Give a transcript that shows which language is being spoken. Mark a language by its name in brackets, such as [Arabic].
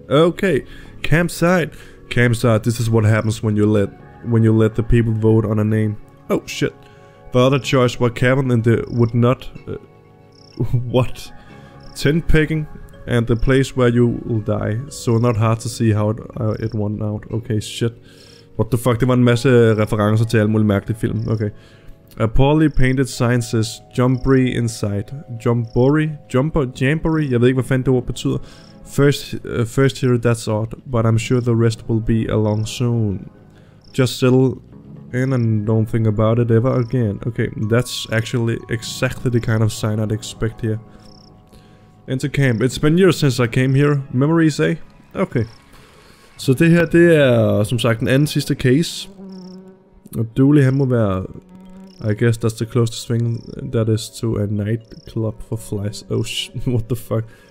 [English] Okay, campsite. Campsite, this is what happens when you let the people vote on a name. Oh shit. The other choice were Kevin and the would not what? Tent pegging and the place where you will die. So not hard to see how it won out. Okay, shit. What the fuck? [Danish] Det var en masse referencer til alle mulige mærkelige film. [English] Okay. A poorly painted sign says jumpery inside. Jumpery? Jumpery? [Danish] Jeg ved ikke, hvad fanden det ord betyder. [English] First here, that's odd, but I'm sure the rest will be along soon. Just settle in and don't think about it ever again. Okay, that's actually exactly the kind of sign I'd expect here. Enter camp. It's been years since I came here. Memories, eh? Okay. [Danish] Så det her, det er som sagt den anden sidste case. Og Dooley, han må være... [English] I guess that's the closest thing that is to a nightclub for flies. Oh sh... what the fuck?